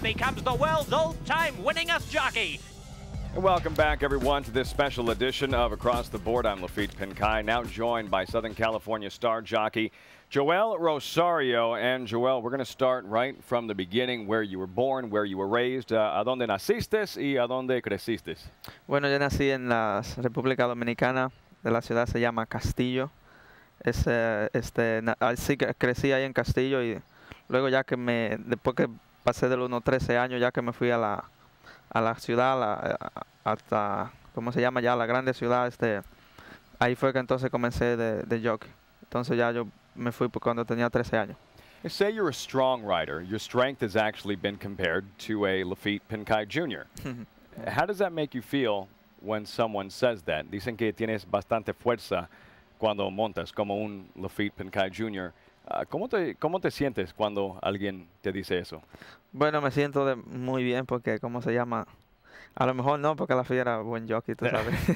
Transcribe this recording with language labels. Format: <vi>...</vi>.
<en>becomes the world's all-time winningest jockey. Welcome back, everyone, to this special edition of Across the Board. I'm Lafitte Pinkai, now joined by Southern California star jockey Joel Rosario. And Joel, we're going to start right from the beginning, where you were born, where you were raised.</en> <es>¿A dónde naciste y a dónde creciste? Bueno, yo nací en la República Dominicana, de la ciudad se llama Castillo. Así que crecí ahí en Castillo y luego ya que me, después que pasé de los unos 13 años, ya que me fui a la ciudad, hasta, ¿cómo se llama ya? La grande ciudad, ahí fue que entonces comencé de jockey. Entonces ya yo me fui cuando tenía 13 años.</es> <en>You say you're a strong rider. Your strength has actually been compared to a Lafitte Pinkai Jr. How does that make you feel when someone says that?</en> <es>Dicen que tienes bastante fuerza cuando montas como un Lafitte Pinkai Jr. ¿Cómo te sientes cuando alguien te dice eso? Bueno, me siento muy bien porque, ¿cómo se llama? A lo mejor no, porque la fiera era buen jockey, tú sabes.</es>